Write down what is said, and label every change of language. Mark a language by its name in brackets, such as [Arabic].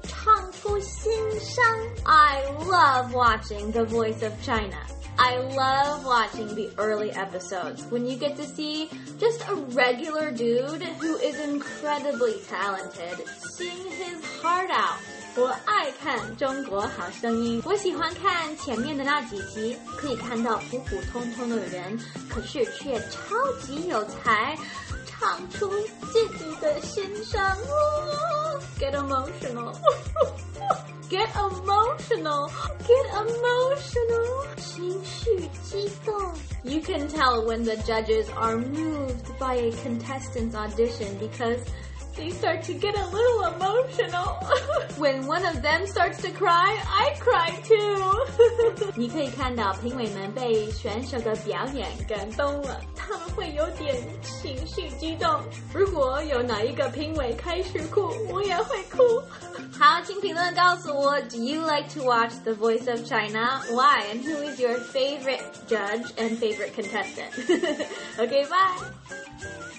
[Chinese] 唱出心声 [English] I love watching The Voice of China, I love watching the early episodes when you get to see just a regular dude who is incredibly talented sing his heart out. [Chinese] 我爱看中国好声音，我喜欢看前面的那几集，可以看到普普通通的人，可是却超级有才，唱出自己的心声。 [English] Get emotional. Get emotional. Get emotional. [Chinese] 情绪激动。 [English] You can tell when the judges are moved by a contestant's audition becauseThey start to get a little emotional. When one of them starts to cry, I cry too. [Chinese] 你可以看到评委们被选手的表演感动了，他们会有点情绪激动。如果有哪一个评委开始哭，我也会哭。好，请评论告诉我 [English] ，Do you like to watch The Voice of China? Why? And who is your favorite judge and favorite contestant? Okay, bye.